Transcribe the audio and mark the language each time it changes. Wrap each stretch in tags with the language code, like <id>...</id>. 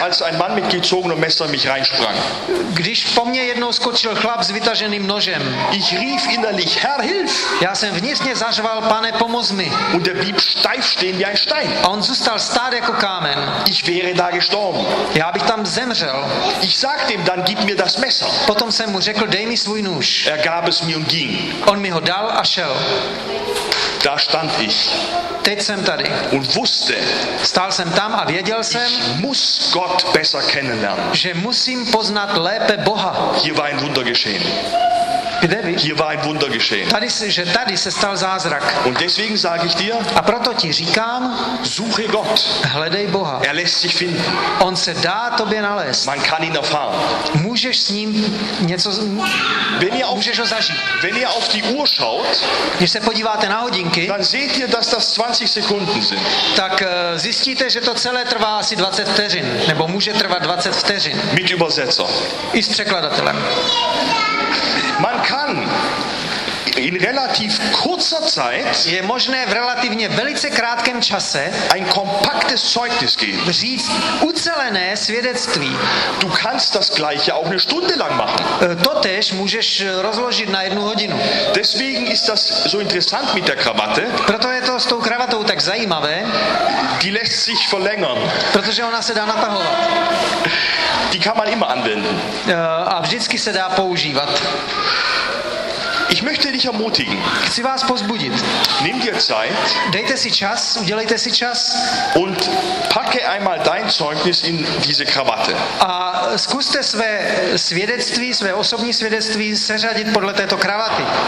<de>Als ein Mann mit gezogenem Messer mich reinsprang.</de> <cs>Když po mně jednou skočil chlap s vytaženým nožem.</cs> <de>Ich rief innerlich, Herr, hilf!</de> <cs>Já jsem vnitřně zařval, Pane, pomoz mi.</cs> <de>Und er blieb steif stehen wie ein Stein.</de> <cs>A on zůstal stát jako kámen.</cs> <de>Ich wäre da gestorben.</de> <cs>Já bych tam zemřel.</cs> <de>Ich sagte ihm, dann gib mir das Messer.</de> <cs>Potom jsem mu řekl, dej mi svůj nůž.</cs> <de>Er gab es mir und ging.</de> <cs>On mi ho dal a šel.</cs> <de>Da stand ich.</de> <cs>Teď jsem tady.</cs> <de>Und wusste,</de> <cs>stál jsem tam a věděl jsem,</cs> <de>ich muss Gott besser kennenlernen.</de> <cs>Že musím poznat lépe Boha.</cs> <de>Hier war ein Wunder geschehen. Hier war ein Wunder geschehen.</de> <cs>Tady se, že tady se stal zázrak.</cs> <de>Und deswegen sage ich dir,</de> <cs>a proto ti říkám,</cs> <de>suche Gott.</de> <cs>Hledej Boha.</cs> <de>Er lässt sich finden.</de> <cs>On se dá tobě nalézt.</cs> <de>Man kann ihn erfahren.</de> <cs>Můžeš s ním něco, můžeš ho zažít.</cs> <de>Wenn ihr auf die Uhr schaut,</de> <cs>když se podíváte na hodinky,</cs> <de>dann seht ihr, dass das 20 Sekunden sind.</de> <cs>Tak zjistíte, že to celé trvá asi 20 vteřin, nebo může trvat 20 vteřin.</cs> <de>Mit Übersetzer.</de> <cs>I s překladatelem.</cs> <de>Man kann in relativ kurzer Zeit</de> <cs>je možné v relativně velice krátkém čase</cs> <de>ein kompaktes Zeugnis geben.</de> <cs>Říct ucelené svědectví.</cs> <de>Du kannst das gleiche auch eine Stunde lang machen.</de> <cs>Totéž můžeš rozložit na jednu hodinu.</cs> <de>Deswegen ist das so interessant mit der Krawatte.</de> <cs>Proto je to s tou kravatou tak zajímavé.</cs> <de>Die lässt sich verlängern.</de> <cs>Protože ona se dá natahovat.</cs> <de>Die kann man immer anwenden.</de> <cs>A vždycky se dá používat.</cs> <de>Ich möchte dich ermutigen.</de> <cs>Chci vás pozbudit.</cs> <de>Nimm dir Zeit.</de> <cs>Dejte si čas, udělejte si čas.</cs> <de>Und packe einmal dein Zeugnis in diese Krawatte.</de> <cs>A zkuste své svědectví, své osobní svědectví seřadit podle této kravaty.</cs>